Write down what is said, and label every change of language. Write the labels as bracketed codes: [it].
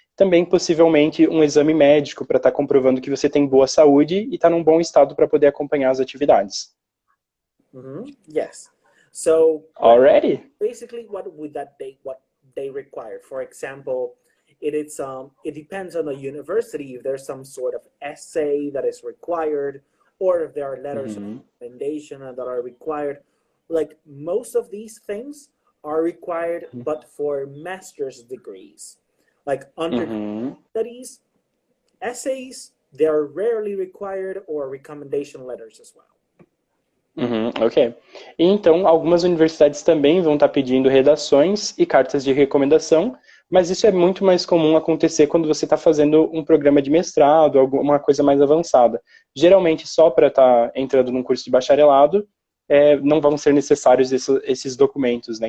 [pt] Também, possivelmente, um exame médico para estar comprovando que você tem boa saúde e está num bom estado para poder acompanhar as atividades. [en] Mm-hmm. Yes. So, already. Basically, what would that be, what they require? For example, it depends on the university if there's some sort of essay that is required or if there are letters of recommendation that are required. Like, most of these things are required, but for master's degrees. Like undergrad studies, essays, there are rarely required or recommendation letters as well. Uhum, ok. [pt] Então, algumas universidades também vão estar pedindo redações e cartas de recomendação, mas isso é muito mais comum acontecer quando você está fazendo um programa de mestrado, alguma coisa mais avançada. Geralmente, só para estar entrando num curso de bacharelado, não vão ser necessários esses documentos, né?